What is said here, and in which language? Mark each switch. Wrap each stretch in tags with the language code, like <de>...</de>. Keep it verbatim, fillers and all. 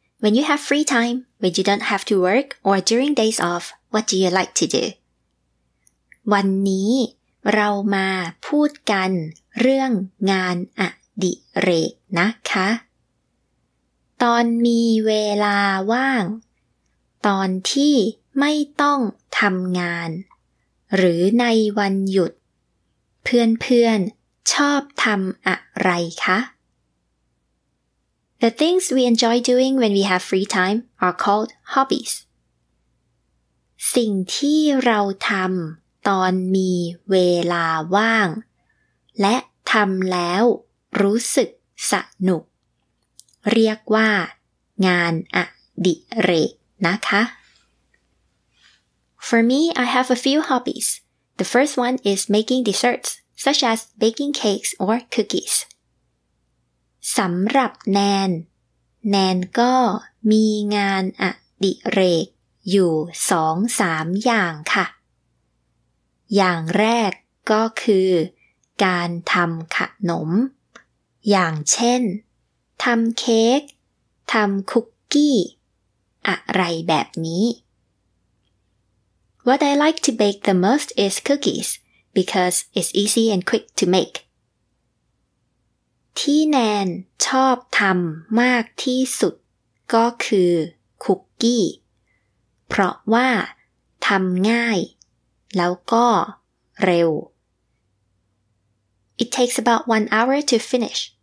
<en>When you have free time, when you don't have to work, or during days off, what do you like to do?</en> <th>วันนี้เรามาพูดกันเรื่องงานอดิเรกนะคะตอนมีเวลาว่างตอนที่ไม่ต้องทำงานหรือในวันหยุดเพื่อนๆชอบทำอะไรคะ</th> <en>The things we enjoy doing when we have free time are called hobbies.</en> <th>สิ่งที่เราทำตอนมีเวลาว่างและทำแล้วรู้สึกสนุกเรียกว่างานอดิเรกนะคะ</th> <en>For me, I have a few hobbies. The first one is making desserts, such as baking cakes or cookies.</en> <th>สำหรับแนนแนนก็มีงานอดิเรกอยู่ สองถึงสาม อย่างค่ะอย่างแรกก็คือการทำขนมอย่างเช่นทำเค้กทำคุกกี้อะไรแบบนี้</th> <en>What I like to bake the most is cookies because it's easy and quick to make.</en> <th>ที่แนนชอบทำมากที่สุดก็คือคุกกี้เพราะว่าทำง่ายแล้วก็เร็ว</th> <en>It takes about one hour to finish.</en>